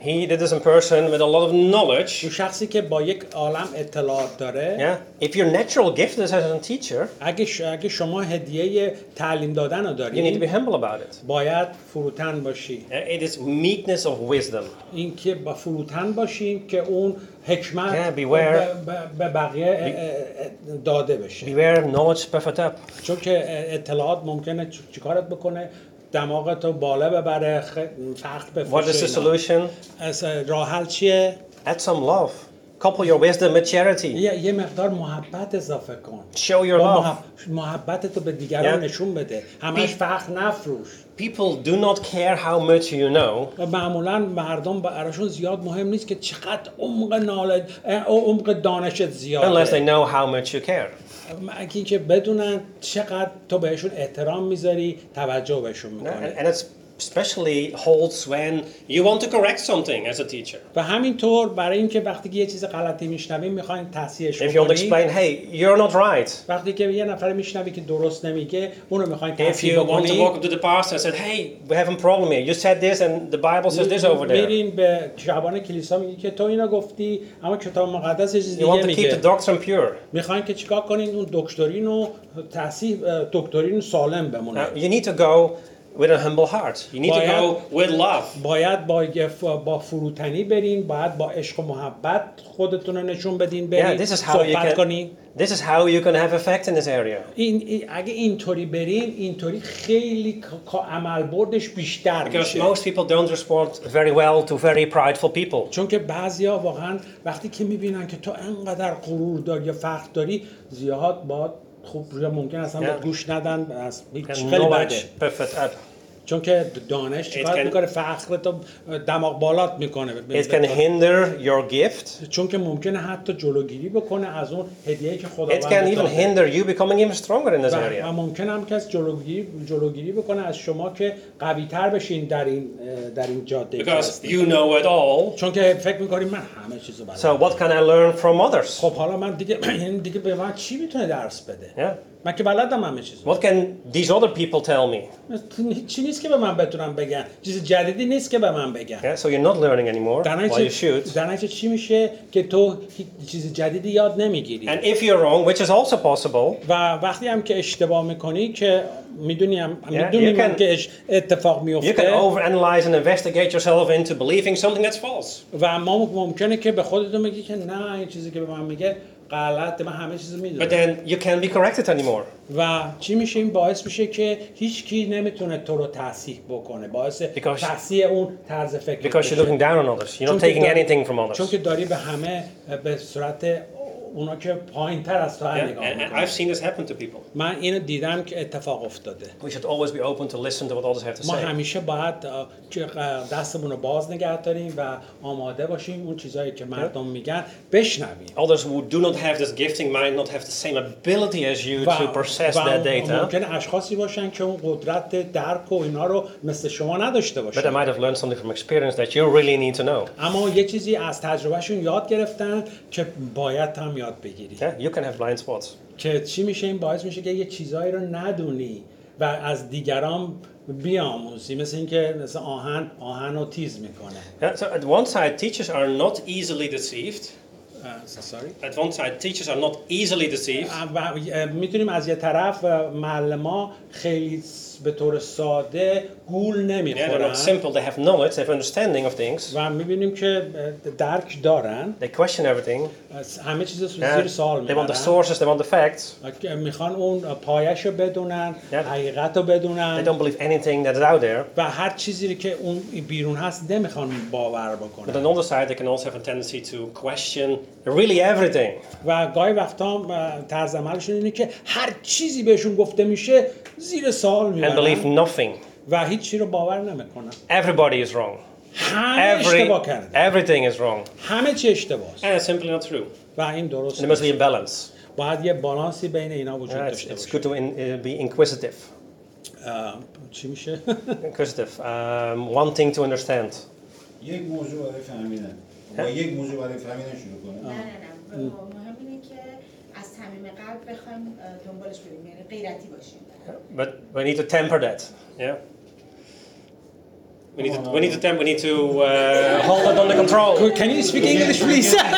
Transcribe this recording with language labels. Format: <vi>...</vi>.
<en>He that is a person with a lot of knowledge.</en> <fa>اون شخصی که با یک عالم اطلاعات داره.</fa> <en>Yeah. If your natural gift is as a teacher.</en> <fa>اگه شما هدیه تعلیم دادن رو دارید.</fa> <en>You need to be humble about it.</en> <fa>باید فروتن باشی.</fa> <en>It is meekness of wisdom.</en> <fa>این که با فروتن باشیم که اون حکمت</fa> <en>yeah, beware.</en> <fa>به بقیه داده بشه.</fa> <en>Beware knowledge perfect up.</en> <fa>چون که اطلاعات ممکنه چیکارت بکنه؟ دماغت رو بالا ببره، فخر بفروشه.</fa> <en>What is the solution?</en> <fa>راه حل چیه؟</fa> <en>Add some love. Couple your wisdom with charity.</en> <fa>یه مقدار محبت اضافه کن.</fa> <en>Show your love.</en> <fa>محبتت رو به دیگران</fa> <en>yeah.</en> <fa>نشون بده. همش فخر نفروش.</fa> <en>People do not care how much you know.</en> <fa>معمولاً مردم براشون زیاد مهم نیست که چقدر عمق دانشت زیاده.</fa> <en>Unless they know how much you care.</en> <fa>اگه اینکه بدونن چقدر تو بهشون احترام میذاری، توجه بهشون میکنی.</fa> <en>And it especially holds when you want to correct something as a teacher.</en> <fa>و همینطور برای اینکه وقتی یه چیز غلطی میشنویم میخواییم تصحیحش کنیم.</fa> <en>If you want to explain, hey, you're not right.</en> <fa>وقتی که یه نفر میشنوی که درست نمیگه، اونو میخواییم تصحیح کنیم.</fa> <en>If you want to walk up to the pastor and said, hey, we have a problem here. You said this and the Bible says this over there.</en> <fa>میرین به شعبان کلیسا میگی که تو اینو گفتی، اما کتاب مقدس یه چیز دیگه میگه.</fa> <en>You want to keep the doctrine pure.</en> <fa>میخواییم که چیکار کنین اون دکترین رو تصحیح دکترین سالم بمونه.</fa> <en>You need to go with a humble heart. You need to go with love.</en> <fa>باید با فروتنی برین، باید با عشق و محبت خودتون رو نشون بدین، صحبت کنین.</fa> <en>This is how you can have effect in this area.</en> <fa>اگه اینطوری برین، اینطوری خیلی عمل بردش بیشتر میشه.</fa> <en>Because most people don't respond very well to very prideful people.</en> <fa>چون که بعضیا واقعا وقتی که میبینن که تو انقدر غرور داری یا فخر داری، زیاد با خوب روی ممکن اصلا</fa> <en>yeah.</en> <fa>گوش ندن از هیچ خیلی بده</fa> <en>perfect.</en> <fa>چون که دانش چیکار میکنه؟ فخرت و دماغ بالات میکنه.</fa> <en>It can hinder your gift.</en> <fa>چون که ممکنه حتی جلوگیری بکنه از اون هدیه‌ای که خدا</fa> <en>It can even hinder you becoming even stronger in this area.</en> <fa>و ممکنه هم کس جلوگیری بکنه از شما که قوی تر بشین در این جاده.</fa> <en>Because you know it all.</en> <fa>چون که فکر میکنی من همه چیزو بلدم.</fa> <en>So what can I learn from others?</en> <fa>خب حالا من دیگه به من چی میتونه درس بده؟</fa> <en>Yeah.</en> <fa>من که بلدم همه چیزو.</fa> <en>What can these other people tell me?</en> <fa>چی نیست که به من بتونن بگن. چیز جدیدی نیست که به من بگن.</fa> <en>Yeah, so you're not learning anymore while you shoot.</en> <fa>درنچه چی میشه که تو چیز جدیدی یاد نمیگیری.</fa> <en>And if you're wrong, which is also possible.</en> <fa>و وقتی هم که اشتباه میکنی که میدونی من که اتفاق میفته.</fa> <en>You can overanalyze and investigate yourself into believing something that's false.</en> <fa>و اما ممکنه که به خودت بگی که نه این چیزی که به من میگه غلطه، من همه چیزو میدونم.</fa> <en>But then you can't be corrected anymore.</en> <fa>و چی میشه؟ این باعث میشه که هیچ کی نمیتونه تو رو تصحیح بکنه، باعث تصحیح اون طرز فکر.</fa> <en>Because you're looking down on others. You're not taking anything from others.</en> <fa>چون که داری به همه به صورت اونا که پایین تر از تو هم نگاه میکنه.</fa> <en>I've seen this happen to people.</en> <fa>من اینو دیدم که اتفاق افتاده.</fa> <en>We should always be open to listen to what others have to say.</en> <fa>ما همیشه باید دستمون رو باز نگه داریم و آماده باشیم اون چیزایی که مردم میگن بشنویم.</fa> <en>Others who do not have this gifting might not have the same ability as you to process that data.</en> <fa>ممکنه اشخاصی باشن که اون قدرت درک و اینا رو مثل شما نداشته باشن.</fa> <en>But I might have learned something from experience that you really need to know.</en> <fa>اما یه چیزی از تجربهشون یاد گرفتن که باید هم یاد بگیری.</fa> <en>Yeah, you can have blind spots.</en> <fa>که چی میشه؟ این باعث میشه که یه چیزایی رو ندونی و از دیگران بیاموزی، مثل اینکه مثلا آهن رو تیز میکنه.</fa> <en>Yeah, so at one side teachers are not easily deceived. At one side teachers are not easily deceived.</en> <fa>میتونیم از یه طرف معلما خیلی به طور ساده گول نمیخورن.</fa> <en>Yeah, they're not simple. They have knowledge. They have understanding of things.</en> <fa>و میبینیم که درک دارن.</fa> <en>They question everything.</en> <fa>همه چیز رو زیر سوال میبرن.</fa> <en>They want the sources. They want the facts.</en> <fa>میخوان اون پایش رو بدونن. حقیقت رو بدونن.</fa> <en>They don't believe anything that's out there.</en> <fa>و هر چیزی که اون بیرون هست نمیخوان باور بکنن.</fa> <en>But on the other side, they can also have a tendency to question really everything.</en> <fa>و گاهی وقتا طرز عملشون اینه که هر چیزی بهشون گفته میشه زیر سوال میبرن.</fa> <en>And believe nothing.</en> <fa>و هیچی رو باور نمیکنم.</fa> <en>Everybody is wrong.</en> <fa>اشتباه کرده.</fa> <en>Everything is wrong.</en> <fa>همه چی اشتباه است.</fa> <en>And it's simply not true.</en> <fa>و این درست.</fa> <en>There must be a balance.</en> <fa>باید یه بالانسی بین اینا وجود داشته باشه.</fa> <en>It's good to be inquisitive.</en> <fa>چی میشه؟</fa> <en>Inquisitive. Wanting to understand.</en> <fa>یک موضوع برای فهمیدن. با یک موضوع برای فهمیدن شروع کنم. نه. مهم اینه که از صمیم قلب بخوایم دنبالش بریم. یعنی غیرتی باشیم.</fa> <en>But we need to temper that, yeah. We need to hold it under control. Can you speak English, please?</en>